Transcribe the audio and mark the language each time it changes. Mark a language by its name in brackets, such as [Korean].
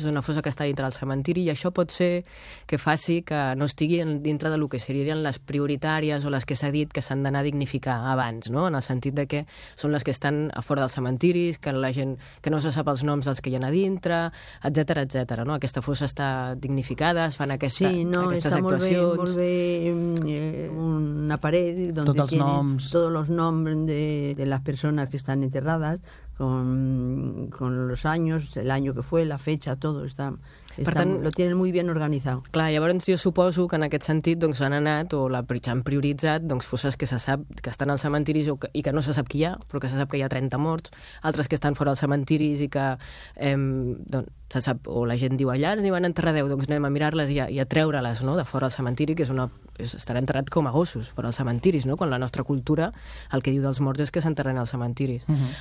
[Catalan] És una fossa que està dintre del cementiri, i això pot ser que faci que no estigui dintre del que serien les prioritàries, o les que s'ha dit que s'han d'anar a dignificar abans, no? En el sentit de que són les que estan a fora dels cementiris, que la gent, que no se sap els noms dels que hi ha a dintre, etc, etc, no? Aquesta fossa està dignificada, es fan aquestes actuacions. Sí, no, aquestes està actuacions. Molt bé, molt bé, una paret on tots els noms de les persones que estan enterrades, [Spanish] con los años, el año que fue, la fecha, todo está... [Catalan] Per tant, [Spanish] lo tienen muy bien organizado. [Catalan] Clar, llavors jo suposo que en aquest sentit, doncs, han anat, o han prioritzat, doncs, fosses que se sap que estan als cementiris i que no se sap qui hi ha, però que se sap que hi ha 30 morts, altres que estan fora dels cementiris i que doncs, se sap, o la gent diu allà, ens hi van enterrar 10, doncs anem a mirar-les i a treure-les, no?, de fora del cementiri, que estarà enterrat com a gossos fora dels cementiris, no?, quan la nostra cultura el que diu dels morts és que s'enterren als cementiris. Uh-huh.